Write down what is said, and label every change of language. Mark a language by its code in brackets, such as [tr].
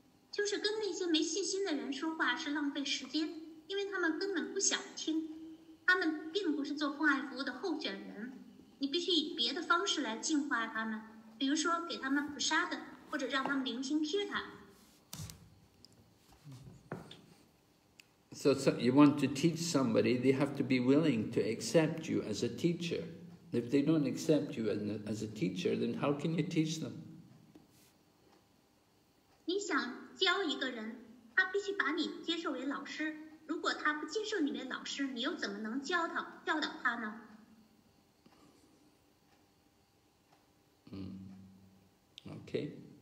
[zh] 就是跟那些没信心的人说话是浪费时间，因为他们根本不想听，他们并不是做奉爱服务的候选人。你必须以别的方式来净化他们，比如说给他们普沙的，或者让他们聆听 Kirtan。 [en] So you want to teach somebody, they have to be willing to accept you as a teacher. If they don't accept you as a teacher, then how can you teach them? [zh] 你想教一个人，他必须把你接受为老师。如果他不接受你为老师，你又怎么能教导他呢？ [en] Okay.